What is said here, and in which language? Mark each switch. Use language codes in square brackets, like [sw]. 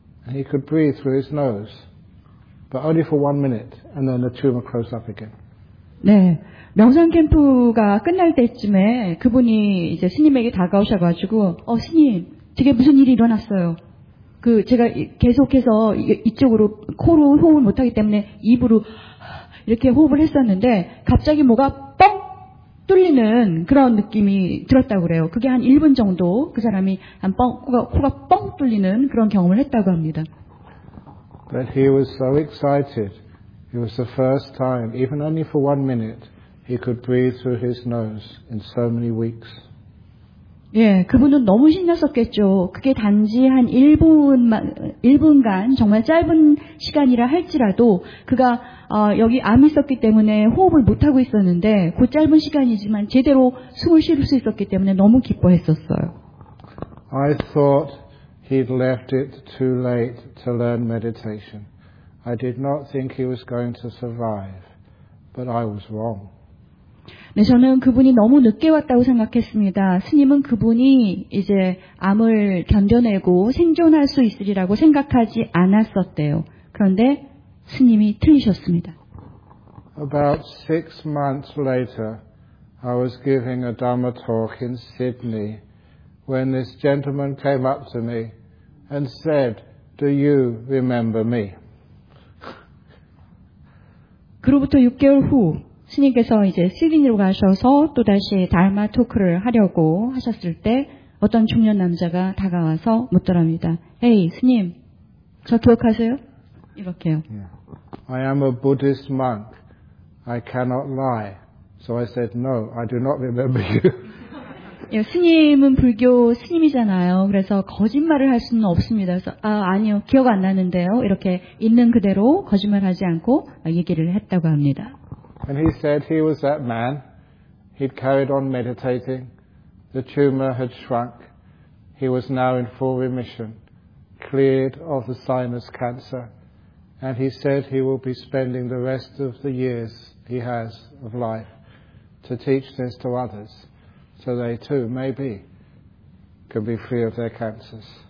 [en] He could breathe through his nose, but only for 1 minute, and then the tumor closed up again. [ko] 네, 명상 캠프가 끝날 때쯤에 그분이 이제 스님에게 다가오셔가지고, 스님, 저게 무슨 일이 일어났어요? 그 제가 계속해서 이쪽으로 코로 호흡을 못하기 때문에 입으로 이렇게 호흡을 했었는데 갑자기 뭐가 뻥 뚫리는 그런 느낌이 들었다고 그래요. 그게 한 1분 정도 그 사람이 한 코가 뻥 뚫리는 그런 경험을 했다고 합니다. [en] But he was so excited. It was the first time, even only for 1 minute, he could breathe through his nose in so many weeks. [ko] 예, 그분은 너무 신났었겠죠. 그게 단지 한 1분간 정말 짧은 시간이라 할지라도 그가 여기 암이 있었기 때문에 호흡을 못하고 있었는데 그 짧은 시간이지만 제대로 숨을 쉴 수 있었기 때문에 너무 기뻐했었어요. [en] I thought he'd left it too late to learn meditation. I did not think he was going to survive. But I was wrong. [ko] 네, 저는 그분이 너무 늦게 왔다고 생각했습니다. 스님은 그분이 이제 암을 견뎌내고 생존할 수 있으리라고 생각하지 않았었대요. 그런데 스님이 틀리셨습니다. [en] About 6 months later, I was giving a Dhamma talk in Sydney when this gentleman came up to me and said, "Do you remember me?" [ko] 그로부터 6개월 후 스님께서 이제 시드니로 가셔서 또다시 달마 토크를 하려고 하셨을 때 어떤 중년 남자가 다가와서 묻더랍니다. 에이, 스님, 저 기억하세요? 이렇게요. [en] I am a Buddhist monk. I cannot lie. So I said, no, I do not remember you. [ko] 예, 스님은 불교 스님이잖아요. 그래서 거짓말을 할 수는 없습니다. 그래서 아니요, 기억 안 나는데요. 이렇게 있는 그대로 거짓말하지 않고 얘기를 했다고 합니다. [en] And he said he was that man. He'd carried on meditating. The tumor had shrunk. He was now in full remission, cleared of the sinus cancer. And he said he will be spending the rest of the years he has of life to teach this to others, so they too, maybe, can be free of their cancers.